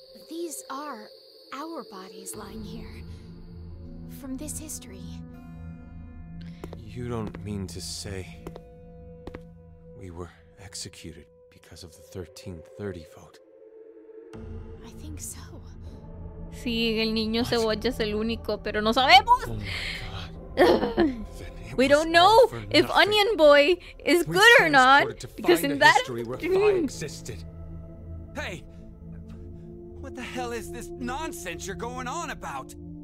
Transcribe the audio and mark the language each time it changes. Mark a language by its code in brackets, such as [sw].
[en] These are our bodies lying here. From this history. You don't mean to say we were executed because of the 1330 vote? I think so. [es] Sí, el niño cebolla es el único, pero no sabemos. [en] We don't know if Onion Boy is good or not, because in that dream. Hey, what the hell is this nonsense you're going on about?